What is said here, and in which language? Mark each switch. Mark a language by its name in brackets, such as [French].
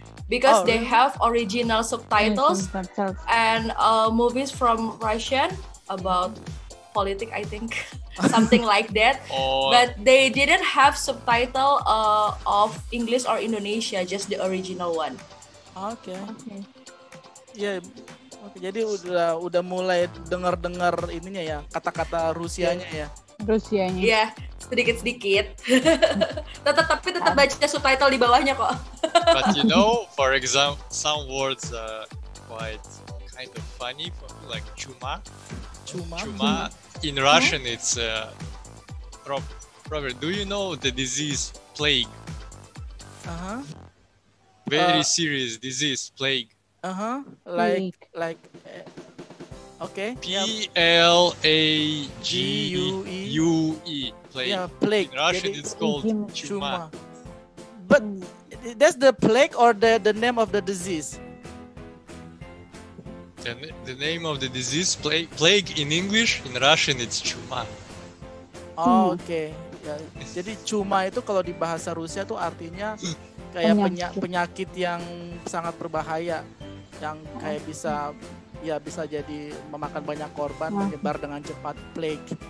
[English] Because they have original subtitles and movies from Russian about politics, I think, something like that. But they didn't have subtitle of English or Indonesia, just the original one. Okay. Yeah. Okay. [Indonesian] Jadi udah mulai dengar ininya ya, kata-kata Rusianya ya. Rusianya. Iya, yeah, sedikit-sedikit. tetap baca subtitle di bawahnya kok. [English] But you know, for example, some words are quite kind of funny, like chuma. Chuma. Chuma. In Russian, it's Robert, do you know the disease plague? Very serious disease plague. Like. Okay. PLAGUE. Plague. Yeah, plague. In Russian, it's called chuma. But that's the plague or the name of the disease? The name of the disease plague in English. In Russian, it's chuma. Oh, okay. Yeah. [Indonesian] Jadi chuma itu kalau di bahasa Rusia tuh artinya kayak penyakit yang sangat berbahaya, yang kayak bisa. Ya bisa jadi memakan banyak korban, menyebar dengan cepat, plague.